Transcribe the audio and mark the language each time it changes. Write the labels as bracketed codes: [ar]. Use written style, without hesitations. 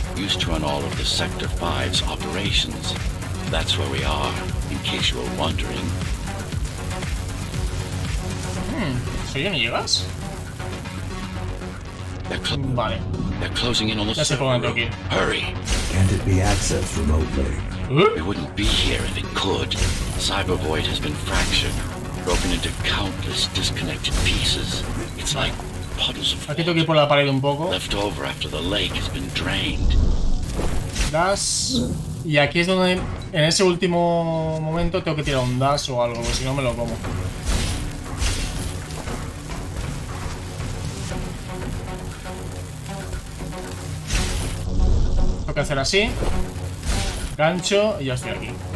[en] Used to run all of the Sector 5's operations. That's where we are, in case you were wondering. [es] ¿Soy yo, no llegas? Vale. Ya sé por dónde tengo que ir. [en] Hurry. Can't it be accessed remotely? It wouldn't be here if it could. Cyber Void has been fractured, broken into countless disconnected pieces. It's like puddles of [es] aquí tengo que ir por la pared un poco. [en] Left over after the lake has been drained. Das. [es] Y aquí es donde en ese último momento tengo que tirar un dash o algo, porque si no me lo como. Tengo que hacer así. Gancho y ya estoy aquí.